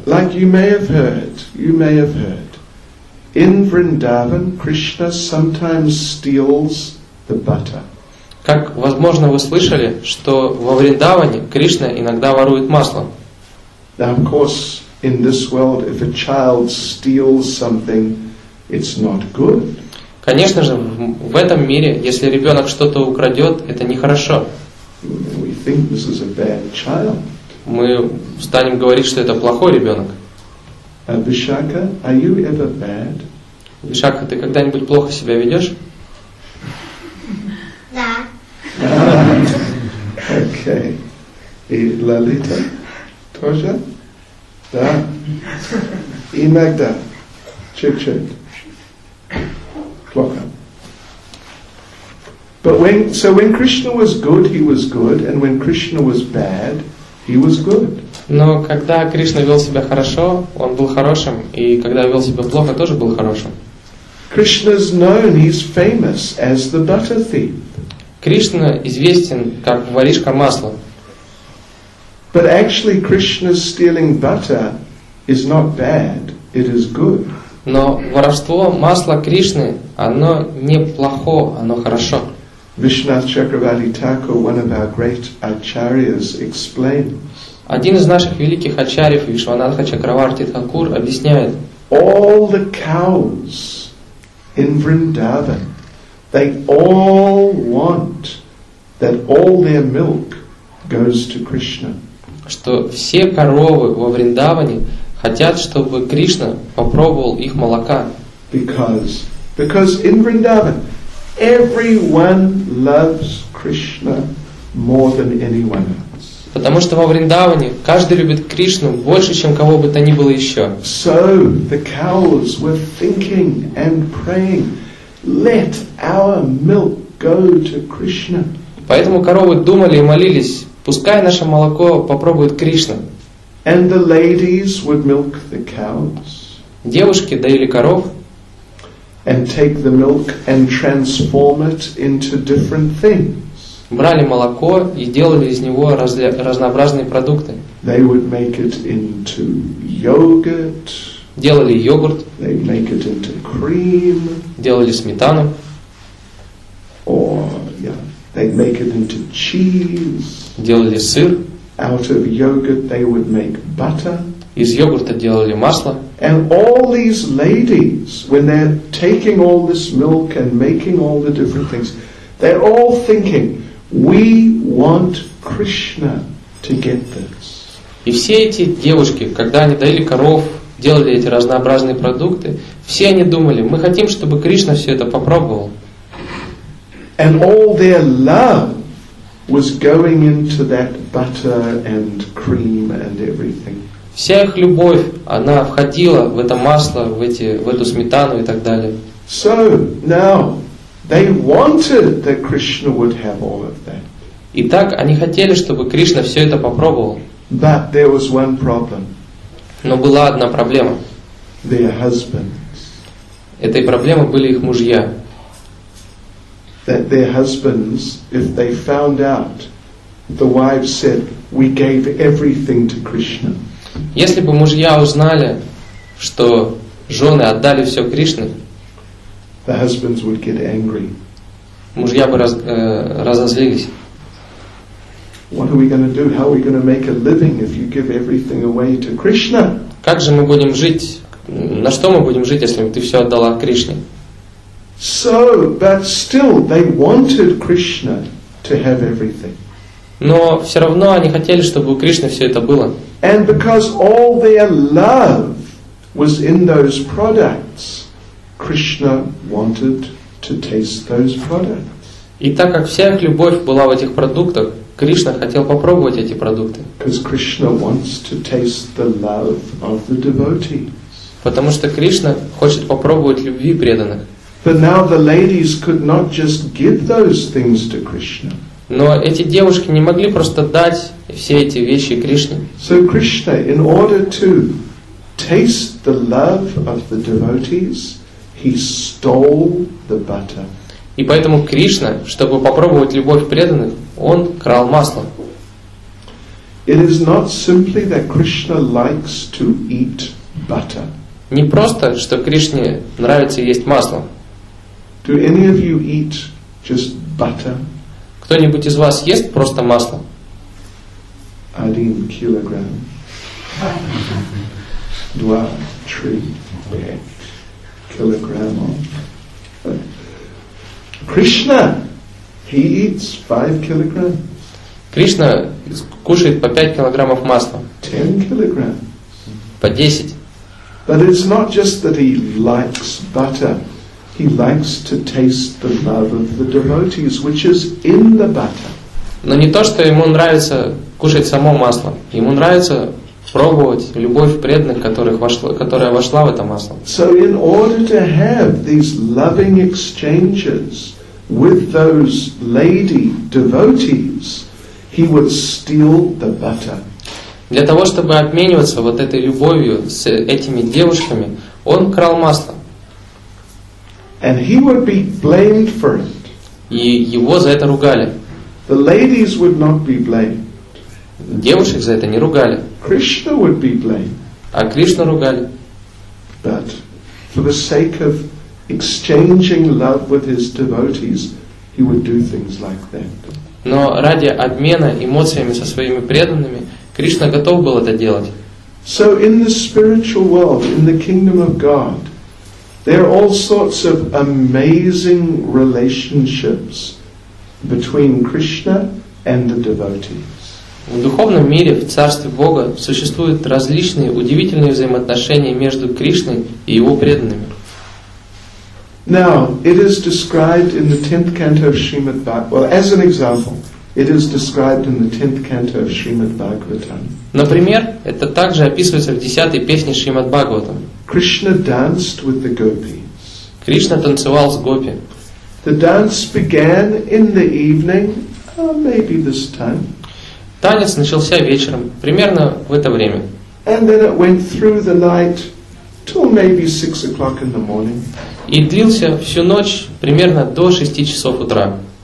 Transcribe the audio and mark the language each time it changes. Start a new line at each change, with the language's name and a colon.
English: Like you may have heard, in Vrindavan, Krishna sometimes steals the butter.
Russian: Как, возможно, вы слышали, что во Вриндаване Кришна иногда ворует масло.
English: Now, of course, in this world, if a child steals something, it's not good.
Russian: Конечно же, в этом мире, если ребенок что-то украдет, это нехорошо.
English: We think this is a bad child.
Russian: Мы станем говорить, что это плохой ребенок.
English: Vishakha, are you ever bad?
Russian: Vishakha, ты когда-нибудь плохо себя ведешь? Да. Окей. И Лалита тоже? Да. И Магда? Чуть-чуть. Плохо.
English: But when Krishna was good, he was good, and when Krishna was bad, he was good.
Russian: Но когда Кришна вел себя хорошо, он был хорошим, и когда вел себя плохо, тоже был хорошим.
English: Krishna's known, he's famous as the butter thief.
Russian: Кришна известен как воришка масла.
English: But actually Krishna's stealing butter is not bad, it is good.
Russian: Но воровство масла Кришны, оно не плохо, оно хорошо.
English: Vishnath Chakravarti Thakur, one of our great acharyas, explains.
Russian: Один из наших великих ачарьев, Вишванатха Чакраварти Такур, объясняет.
English: All the cows in Vrindavan, they all want that all their milk goes to Krishna.
Russian: Что все коровы во Вриндаване хотят, чтобы Кришна попробовал их молока.
English: Because in Vrindavan, Everyone loves Krishna more than anyone else.
Russian: Потому что во Вриндаване каждый любит Кришну больше, чем кого бы то ни было еще.
English: So the cows were thinking and praying, let our milk go to Krishna.
Russian: Поэтому коровы думали и молились, пускай наше молоко попробует Кришна.
English: And the ladies would milk the cows.
Russian: Девушки доили коров.
English: And take the milk and transform it into different things.
Russian: Брали молоко и делали из него разнообразные продукты.
English: They would make it into yogurt.
Russian: Делали йогурт.
English: They make it into cream.
Russian: Делали сметану.
English: Or yeah, they make it into cheese.
Russian: Делали сыр.
English: Out of yogurt they would make butter.
Russian: Из йогурта делали масло.
English: And all these ladies, when they're taking all this milk and making all the different things, they're all thinking, we want Krishna to get this.
Russian: И все эти девушки, когда они доили коров, делали эти разнообразные продукты, все они думали, мы хотим, чтобы Кришна все это попробовал.
English: And all their love was going into that butter and cream and everything.
Russian: Вся их любовь, она входила в это масло, в эту сметану и так далее.
English: So now they wanted that Krishna would have all of that.
Russian: Итак, они хотели, чтобы Кришна все это попробовал.
English: But there was one problem.
Russian: Но была одна проблема.
English: Their husbands.
Russian: Этой проблемой были их мужья.
English: That their husbands, if they found out, the wives said, "We gave everything to Krishna."
Russian: Если бы мужья узнали, что жены отдали все Кришне,
English: the husbands would get angry.
Russian: Мужья бы разозлились.
English: What are we going to do? How are we going to make a living if you give everything away to Krishna?
Russian: Как же мы будем жить? На что мы будем жить, если ты все отдала Кришне?
English: So, but still, they wanted Krishna to have everything.
Russian: Но все равно они хотели, чтобы у Кришны все это было.
English: And because all their love was in those products, Krishna wanted to taste those products.
Russian: И так как вся их любовь была в этих продуктах, Кришна хотел попробовать эти продукты.
English: Because Krishna wants to taste the love of the devotees.
Russian: Потому что Кришна хочет попробовать любви преданных.
English: But now the ladies could not just give those things to Krishna.
Russian: Но эти девушки не могли просто дать все эти вещи Кришне.
English: So Krishna, in order to taste the love of the devotees, he stole the butter.
Russian: И поэтому Кришна, чтобы попробовать любовь преданных, он крал масло.
English: It is not simply that Krishna likes to eat butter.
Russian: Не просто, что Кришне нравится есть масло.
English: Do any of you eat just butter?
Russian: Кто-нибудь из вас ест просто масло?
English: 1 kilogram. 2, 3 kilogram. Krishna, he eats 5 kilograms.
Russian: Кришна кушает по 5 килограммов масла.
English: 10 kilograms.
Russian: По 10.
English: But it's not just that he likes butter. He likes to taste the love of the devotees, which is in the butter.
Russian: Но не то, что ему нравится кушать само масло. Ему нравится пробовать любовь преданных, которая вошла в это масло.
English: So in order to have these loving exchanges with those lady devotees, he would steal the butter.
Russian: Для того, чтобы обмениваться вот этой любовью с этими девушками, он крал масло.
English: And he would be blamed for it.
Russian: И его за это ругали.
English: The ladies would not be blamed.
Russian: Девушек за это не ругали.
English: Krishna would be blamed.
Russian: А Кришну ругали.
English: But for the sake of exchanging love with his devotees, he would do things like that.
Russian: Но ради обмена эмоциями со своими преданными Кришна готов был это делать.
English: So in the spiritual world, in the kingdom of God, there are all sorts of amazing relationships between Krishna and the devotees.
Russian: В духовном мире, в царстве Бога, существуют различные удивительные взаимоотношения между Кришной и его преданными.
English: Now, it is described in the 10th canto of Srimad Bhagavatam. Well, as an example, it is described in the 10th canto of Srimad Bhagavatam.
Russian: Например, это также описывается в 10-й песне Шримад Бхагаватам.
English: Krishna danced with the gopis.
Russian: Кришна танцевал с гопи.
English: The dance began in the evening, or maybe this time.
Russian: Танец начался вечером, примерно в это время.
English: And then it went through the night till maybe 6 o'clock in the morning.
Russian: И длился всю ночь примерно до 6 часов утра.